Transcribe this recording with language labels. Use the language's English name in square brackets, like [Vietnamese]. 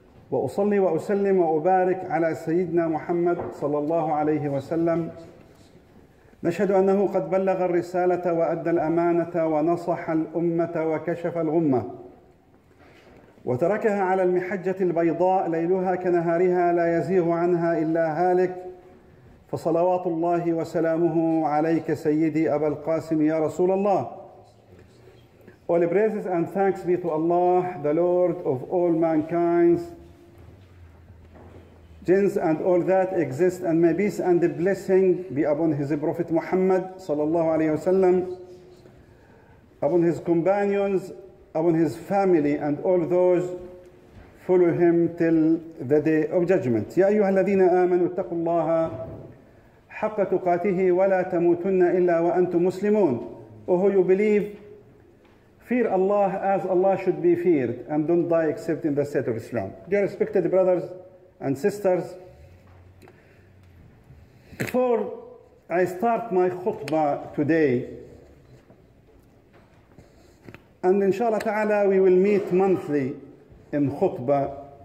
[Arabic] وأصلي وأسلم وأبارك على سيدنا محمد صلى الله عليه وسلم نشهد أنه قد بلغ الرسالة وأدى الأمانة ونصح الأمة وكشف الغمة وتركها على المحجة البيضاء ليلها كنهارها لا يزيغ عنها إلا هالك فصلوات الله وسلامه عليك سيدي أبا القاسم يا رسول الله. [English] All praises and thanks be to Allah, the Lord of all mankind, jinns and all that exist, and may peace and the blessing be upon his Prophet Muhammad sallallahu alayhi wasallam, upon his companions, upon his family, and all those follow him till the day of judgment. [Arabic] يا أيها الذين آمنوا اتقوا الله حق تقاته ولا تموتن إلا وأنتم مسلمون. [English] Oh, you believe, fear Allah as Allah should be feared, and don't die except in the state of Islam. Dear respected brothers and sisters, before I start my khutbah today, and inshallah ta'ala we will meet monthly in khutbah,